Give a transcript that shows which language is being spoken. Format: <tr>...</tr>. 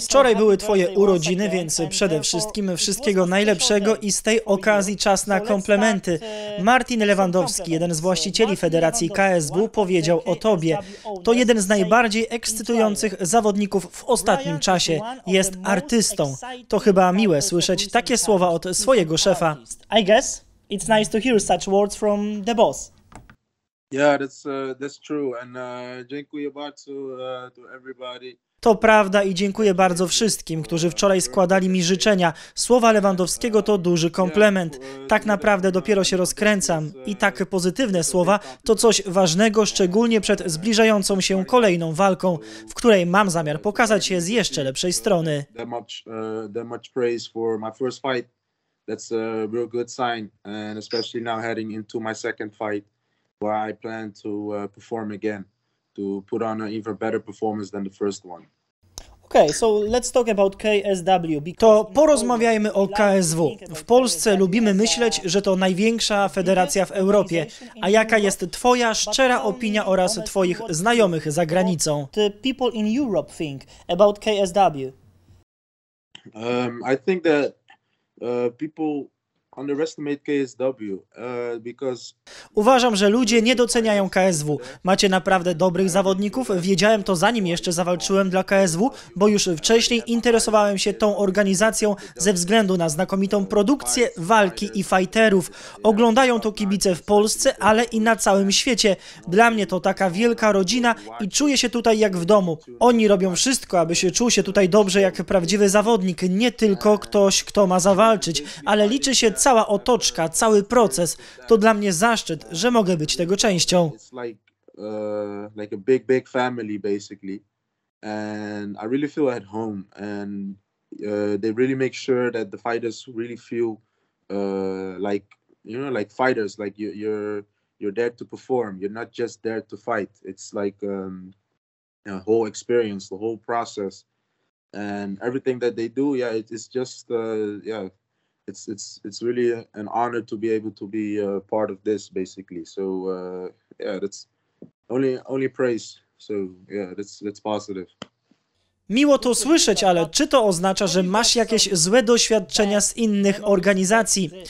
<pl>Wczoraj były twoje urodziny, więc przede wszystkim wszystkiego najlepszego i z tej okazji czas na komplementy. Martin Lewandowski, jeden z właścicieli Federacji KSW, powiedział o tobie. To jeden z najbardziej ekscytujących zawodników w ostatnim czasie. Jest artystą. To chyba miłe słyszeć takie słowa od swojego szefa.</pl> <en>I guess it's nice to hear such words from the boss. Yeah, that's true, and</en> <pl>dziękuję bardzo</pl> <en>to everybody.</en> <pl>To prawda i dziękuję bardzo wszystkim, którzy wczoraj składali mi życzenia. Słowa Lewandowskiego to duży komplement. Tak naprawdę dopiero się rozkręcam. I tak pozytywne słowa to coś ważnego, szczególnie przed zbliżającą się kolejną walką, w której mam zamiar pokazać się z jeszcze lepszej strony.</pl> <en>That much praise for my first fight. That's a real good sign, and especially now heading into my second fight. I plan to perform again, to put on an even better performance than the first one. Okay, so let's talk about KSW.</en> <pl>To porozmawiajmy o KSW. W Polsce lubimy myśleć, że to największa federacja w Europie. A jaka jest twoja szczera opinia oraz twoich znajomych za granicą?</pl> <en>The people in Europe think about KSW. I think that people underestimate KSW, because...</en> <pl>Uważam, że ludzie nie doceniają KSW. Macie naprawdę dobrych zawodników. Wiedziałem to zanim jeszcze zawalczyłem dla KSW, bo już wcześniej interesowałem się tą organizacją ze względu na znakomitą produkcję, walki i fighterów. Oglądają to kibice w Polsce, ale i na całym świecie. Dla mnie to taka wielka rodzina i czuję się tutaj jak w domu. Oni robią wszystko, aby się czuł się tutaj dobrze jak prawdziwy zawodnik, nie tylko ktoś, kto ma zawalczyć, ale liczy się cała otoczka, cały proces. To dla mnie zaszczyt, że mogę być tego częścią.</pl> <en>It's like a big family basically, and I really feel at home, and they really make sure that the fighters really feel like fighters, like you're there to perform, you're not just there to fight. It's like a whole experience, the whole process, and everything that they do, yeah, it's just It's really an honor to be able to be a part of this basically. So yeah, that's only praise. So yeah, that's positive.</en> <pl>Miło to słyszeć, ale czy to oznacza, że masz jakieś złe doświadczenia z innych organizacji?</pl>